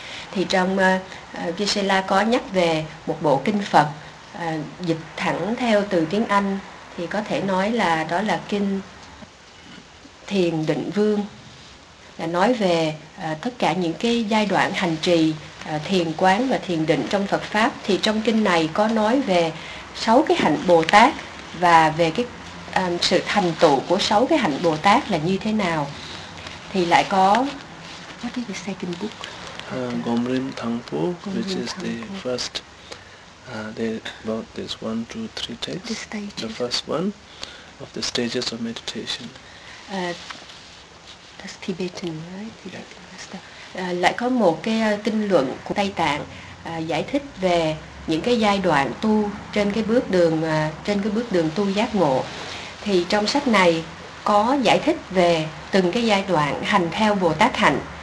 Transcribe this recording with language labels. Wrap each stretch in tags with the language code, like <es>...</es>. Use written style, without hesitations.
<vi>Thì trong Geshe-la có nhắc về một bộ kinh Phật, dịch thẳng theo từ tiếng Anh thì có thể nói là đó là kinh Thiền Định Vương, là nói về tất cả những cái giai đoạn hành trì thiền quán và thiền định trong Phật Pháp. Thì trong kinh này có nói về sáu cái hạnh Bồ Tát và về cái sự thành tựu của sáu cái hạnh Bồ Tát là như thế nào. Thì lại có</vi> <en>what is the second book? Gomrim Thangpo, which is the first about this 1, 2, 3 texts, the first one of the stages of meditation. That's Tibetan, right? Yeah.</en> <vi>Lại có một cái kinh luận của Tây Tạng giải thích về những cái giai đoạn tu trên cái bước đường tu giác ngộ. Thì trong sách này có giải thích về từng cái giai đoạn hành theo Bồ Tát hạnh.</vi>